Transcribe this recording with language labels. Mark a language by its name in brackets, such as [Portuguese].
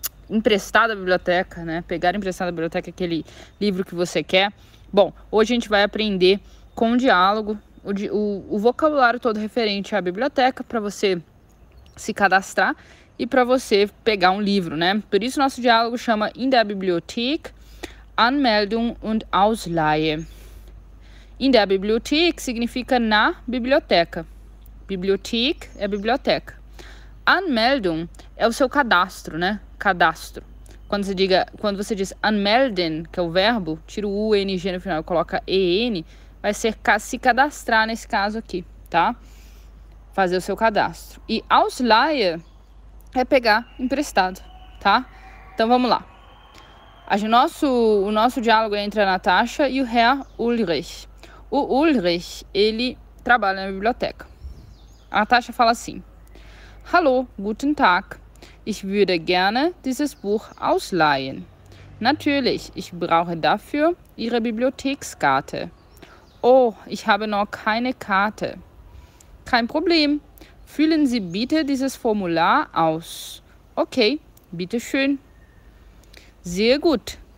[Portuguese] Emprestar da biblioteca, né? Pegar emprestado da biblioteca aquele livro que você quer. Bom, hoje a gente vai aprender com diálogo, o vocabulário todo referente à biblioteca para você se cadastrar e para você pegar um livro, né? Por isso nosso diálogo chama [German] In der Bibliothek, Anmeldung und Ausleihe. In der Bibliothek [Portuguese] significa na biblioteca. Bibliothek é biblioteca. Anmeldung é o seu cadastro, né? Cadastro. Quando você diz anmelden, que é o verbo, tira o ung no final e coloca en, vai ser se cadastrar nesse caso aqui, tá? Fazer o seu cadastro. E Ausleihe é pegar emprestado, tá? Então vamos lá. O nosso diálogo é entre a Natasha e o Herr Ulrich. O Ulrich, ele trabalha na biblioteca. A Natasha fala assim: [German] Hallo, guten Tag. Ich würde gerne dieses Buch ausleihen. Natürlich, ich brauche dafür Ihre Bibliothekskarte. Oh, ich habe noch keine Karte. Kein Problem. Füllen Sie bitte dieses Formular aus. Okay, bitteschön. Sehr gut.